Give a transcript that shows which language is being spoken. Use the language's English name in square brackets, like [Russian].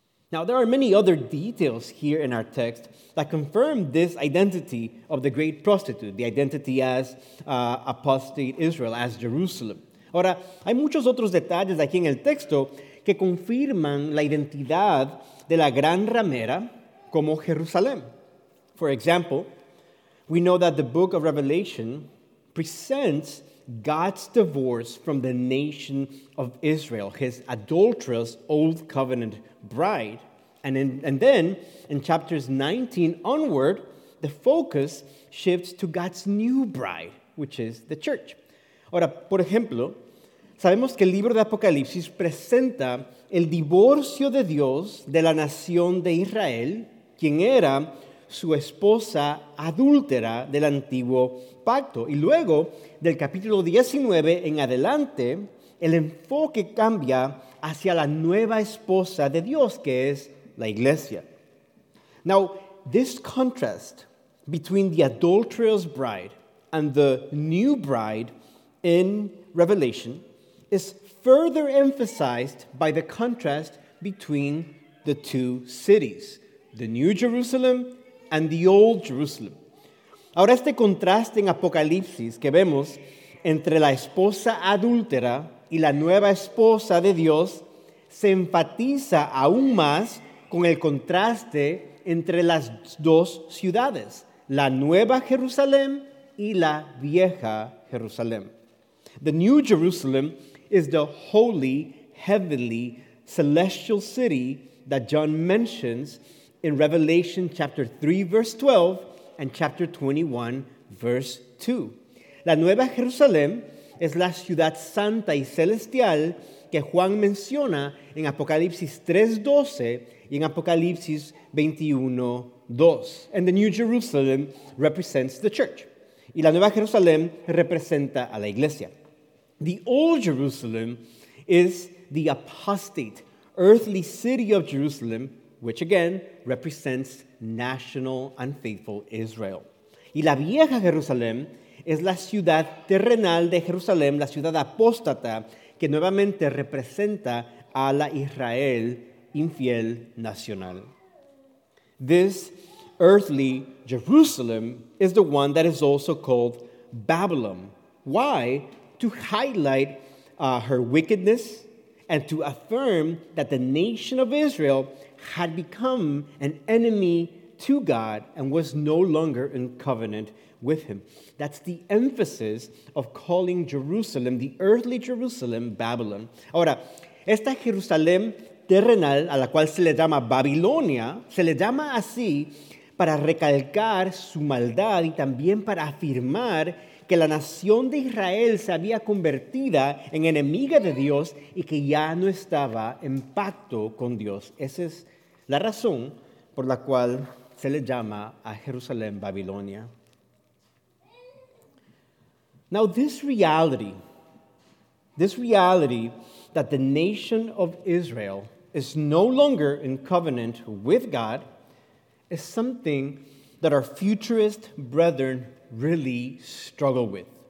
[English] Now, there are many other details here in our text that confirm this identity of the great prostitute, the identity as apostate Israel, as Jerusalem. [Spanish] Ahora, hay muchos otros detalles aquí en el texto que confirman la identidad de la gran ramera como Jerusalén. [English] For example, we know that the book of Revelation presents God's divorce from the nation of Israel, his adulterous old covenant bride. And then in chapters 19 onward, the focus shifts to God's new bride, which is the church. [Spanish] Ahora, por ejemplo, sabemos que el libro de Apocalipsis presenta el divorcio de Dios de la nación de Israel, quien era su esposa adúltera del antiguo pacto. Y luego, del capítulo 19 en adelante, el enfoque cambia hacia la nueva esposa de Dios, que es la iglesia. [English] Now, this contrast between the adulterous bride and the new bride in Revelation is further emphasized by the contrast between the two cities, the New Jerusalem and the Old Jerusalem. [Spanish] Ahora, este contraste en Apocalipsis que vemos entre la esposa adúltera y la nueva esposa de Dios se enfatiza aún más con el contraste entre las dos ciudades, la Nueva Jerusalén y la Vieja Jerusalén. [English] The New Jerusalem is the holy, heavenly, celestial city that John mentions in Revelation chapter 3, verse 12, and chapter 21, verse 2. [Spanish] La Nueva Jerusalén es la ciudad santa y celestial que Juan menciona en Apocalipsis 3:12 y en Apocalipsis 21:2. [English] And the New Jerusalem represents the church. [Spanish] Y la Nueva Jerusalén representa a la iglesia. [English] The Old Jerusalem is the apostate, earthly city of Jerusalem, which again represents national and faithful Israel. [Spanish] Y la Vieja Jerusalén es la ciudad terrenal de Jerusalén, la ciudad apóstata, que nuevamente representa a la Israel infiel nacional. [English] This earthly Jerusalem is the one that is also called Babylon. Why? To highlight her wickedness and to affirm that the nation of Israel had become an enemy to God and was no longer in covenant with him. That's the emphasis of calling Jerusalem, the earthly Jerusalem, Babylon. [Spanish] Ahora, esta Jerusalén terrenal, a la cual se le llama Babilonia, se le llama así para recalcar su maldad y también para afirmar que la nación de Israel se había convertida en enemiga de Dios y que ya no estaba en pacto con Dios. Esa es la razón por la cual se le llama a Jerusalén Babilonia. [English] Now, this reality that the nation of Israel is no longer in covenant with God is something that our futurist brethren really struggle with.